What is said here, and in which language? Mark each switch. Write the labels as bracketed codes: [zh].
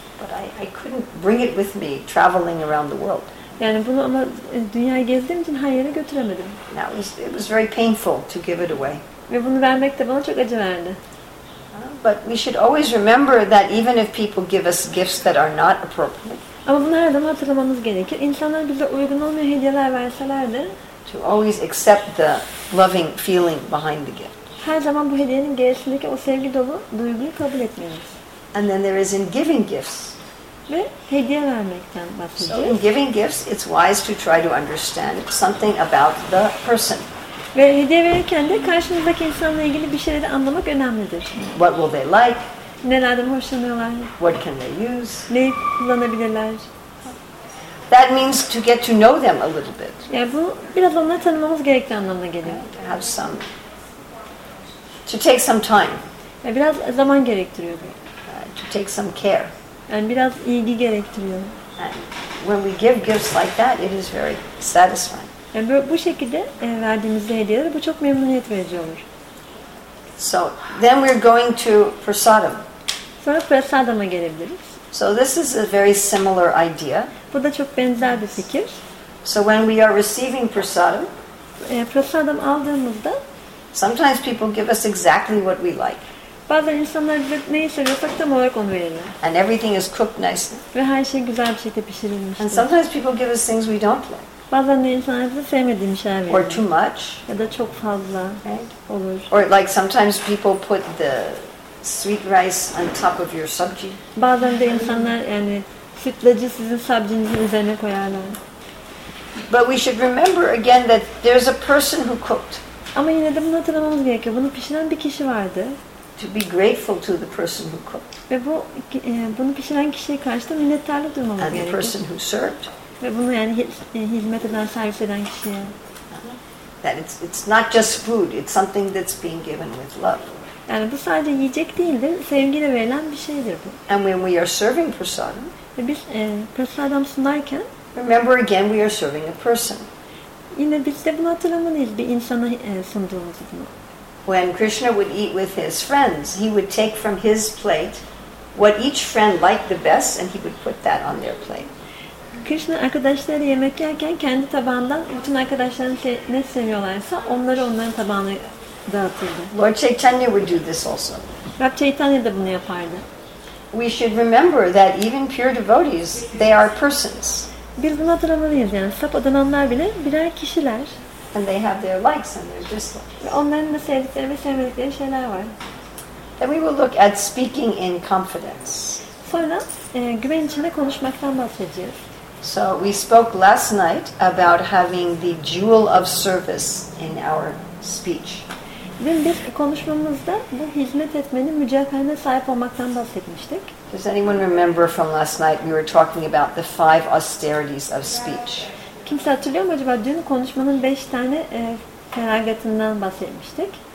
[en] But I couldn't bring it with me traveling around the world. [tr] Yani bunu ama dünyayı gezdiğim için her yere götüremedim. [en] Now it was very painful to give it away. [tr] Ve bunu vermek de bana çok acı verdi. [en] But we should always remember that even if people give us gifts that are not appropriate. [tr] Ama bunu her zaman hatırlamamız gerekir. İnsanlar bize uygun olmayan hediyeler verseler de [en] to always accept the loving feeling behind the gift. [tr] Her zaman bu hediyenin gerisindeki o sevgi dolu duyguyu kabul etmeliyiz. [en] And then there is in giving gifts. [tr] Ve hediye vermekten bahsedeceğiz. [en] So in giving gifts, it's wise to try to understand something about the person. [tr] Ve hediye verirken de karşınızdaki insanla ilgili bir şeyleri anlamak önemlidir. [en] What will they like? [tr] Nelerden hoşlanıyorlar? [en] What can they use? [tr] Ne kullanabilirler? [en] That means to get to know them a little bit. [tr] Yani bu biraz onları tanımamız gerektiği anlamına geliyor. [en] Have some. To take some time. [tr] Yani biraz zaman gerektiriyor bu. [en] To take some care. [tr] Yani biraz ilgi gerektiriyor. [en] And when we give gifts like that, it is very satisfying. [tr] Yani bu şekilde verdiğimiz hediyeler bu çok memnuniyet verici olur. [en] So then we're going to prasadam. [tr] Sonra prasadama gelebiliriz. [en] So this is a very similar idea. [tr] Bu da çok benzer bir fikir. [en] So when we are receiving prasadam, [tr] prasadam aldığımızda, [en] sometimes people give us exactly what we like. [tr] Bazen insanlar bize neyi seviyorsak tam olarak onu verirler. [en] And everything is cooked nicely. [tr] Ve her şey güzel bir şekilde pişirilmiş. [en] And sometimes people give us things we don't like. [tr] Bazen de insanlar bize sevmediğim şeyler veriyor. [en] Or too much. [tr] Ya da çok fazla olur. [en] Or like sometimes people put the sweet rice on top of your sabji. [tr] Bazen de insanlar yani sütlacı sizin sabjinizin üzerine koyarlar. [en] But we should remember again that there's a person who cooked. [tr] Ama yine de bunu hatırlamamız gerekiyor. Bunu pişiren bir kişi vardı. [en] To be grateful to the person who cooked. [tr] Ve bunu pişiren kişiye karşı da minnettarlık duymamız gerekiyor. [en] And the person who served. [tr] Ve bunu yani hizmet eden, servis eden kişiye. [en] That it's not just food, it's something that's being given with love. [tr] Yani bu sadece yiyecek değildir, sevgiyle verilen bir şeydir bu. [en] And when we are serving prasadam, [tr] ve biz prasadam sunarken, [en] remember again we are serving a person. [tr] Yine biz de bunu hatırlamalıyız, bir insana sunduğumuz bunu. [en] When Krishna would eat with his friends, he would take from his plate what each friend liked the best and he would put that on their plate. [tr] Krishna arkadaşları yemek yerken kendi tabağından bütün arkadaşların ne seviyorlarsa onları onların tabağına dağıtırdı. [en] Lord Chaitanya would do this also. [tr] Lord Chaitanya da bunu yapardı. [en] We should remember that even pure devotees, they are persons. [tr] Biz bunu hatırlamalıyız yani. Sap adananlar bile birer kişiler. [en] And they have their likes and their dislikes. [tr] Onların da sevdikleri ve sevmedikleri şeyler var. [en] Then we will look at speaking in confidence. [tr] Sonra güven içinde konuşmaktan bahsedeceğiz. [en] So we spoke last night about having the jewel of service in our speech. [tr] Dün bir konuşmamızda bu hizmet etmenin mücevherine sahip olmaktan bahsetmiştik. [en] Does anyone remember from last night we were talking about the five austerities of speech? [tr] Kimse hatırlıyor mu acaba dün konuşmanın beş tane feragatından bahsetmiştik?